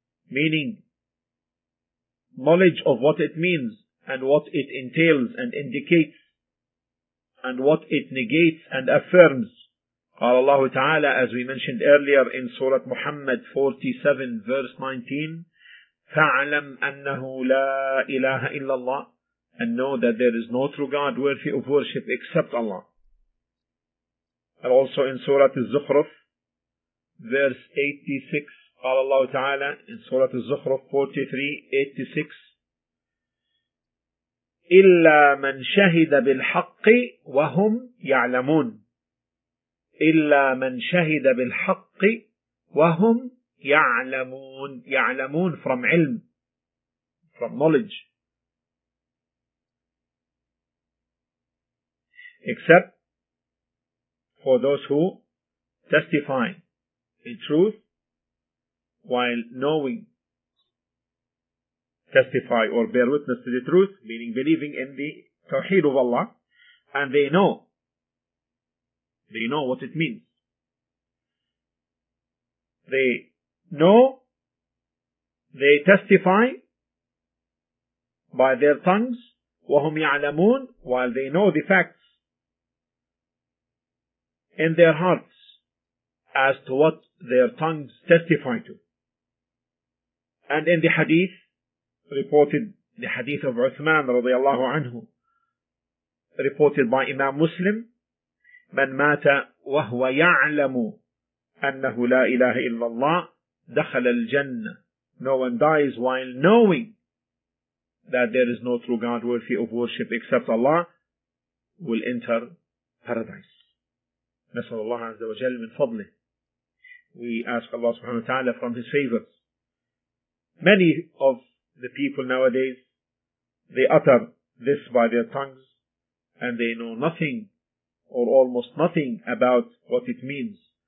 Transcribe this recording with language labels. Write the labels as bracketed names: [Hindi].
[English] Meaning, knowledge of what it means and what it entails and indicates and what it negates and affirms [Arabic] قال الله تعالى, [English] as we mentioned earlier in Surah Muhammad 47 verse 19, [Arabic] فَعْلَمْ أَنَّهُ لَا إِلَهَ إِلَّا اللَّهِ, [English] and know that there is no true God worthy of worship except Allah. And also in Surah Al-Zukhruf, verse 86, [Arabic] قال الله تعالى, [English] in Surah Al-Zukhruf 43:86, [Arabic] إِلَّا مَنْ شَهِدَ بِالْحَقِّ وَهُمْ يَعْلَمُونَ, إِلَّا مَنْ شَهِدَ بِالْحَقِّ وَهُمْ يَعْلَمُونَ. [English] يَعْلَمُونَ from علم, from knowledge. Except for those who testify in truth while knowing, testify or bear witness to the truth, meaning believing in the Tawheed of Allah, and they know, they know what it means. They know, they testify by their tongues, [Arabic] وَهُمْ يَعْلَمُونَ, [English] while they know the facts in their hearts as to what their tongues testify to. And in the hadith, reported, the hadith of Uthman [Arabic] رضي الله عنه, [English] reported by Imam Muslim, [Arabic] من مات وهو يعلم أنه لا إله إلا الله دخل الجنة. [English] No one dies while knowing that there is no true God worthy of worship except Allah, will enter paradise. [Arabic] نسأل الله عز وجل من فضله. [English] We ask Allah subhanahu wa ta'ala from His favors. Many of the people nowadays, they utter this by their tongues and they know nothing or almost nothing about what it means.